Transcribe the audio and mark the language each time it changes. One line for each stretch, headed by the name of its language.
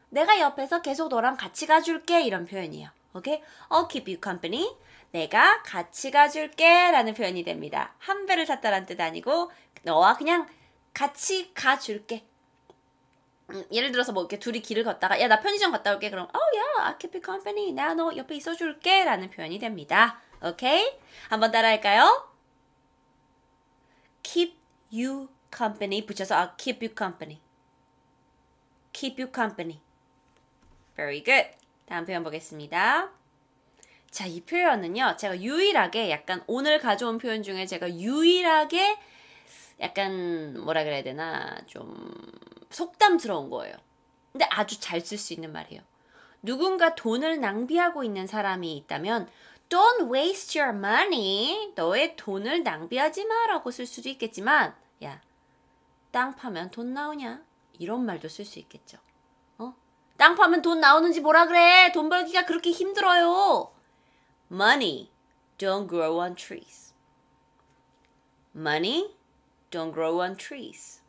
Korean: 내가 옆에서 계속 너랑 같이 가줄게. 이런 표현이에요.
English: Okay? I'll keep you company.
Korean: 내가 같이 가줄게. 라는 표현이 됩니다. 한 배를 탔다란 뜻 아니고, 너와 그냥 같이 가줄게. 예를 들어서 뭐 이렇게 둘이 길을 걷다가, 야, 나 편의점 갔다 올게.
English: 그럼, Oh, yeah, I'll keep you company.
Korean: 내가 너 옆에 있어줄게. 라는 표현이 됩니다. Okay? 한번 따라 할까요?
English: Keep you company. 붙여서, I'll keep you company. Keep you company. Very good.
Korean: 다음 표현 보겠습니다. 자, 이 표현은요, 제가 유일하게 약간 오늘 가져온 표현 중에 제가 유일하게 약간 뭐라 그래야 되나, 좀 속담스러운 거예요. 근데 아주 잘쓸수 있는 말이에요. 누군가 돈을 낭비하고 있는 사람이 있다면,
English: Don't waste your money.
Korean: 너의 돈을 낭비하지 마라고 쓸 수도 있겠지만, 야, 땅 파면 돈 나오냐? 이런 말도 쓸수 있겠죠. 땅 파면 돈 나오는지 뭐라 그래? 돈 벌기가 그렇게 힘들어요.
English: Money don't grow on trees. Money don't grow on trees.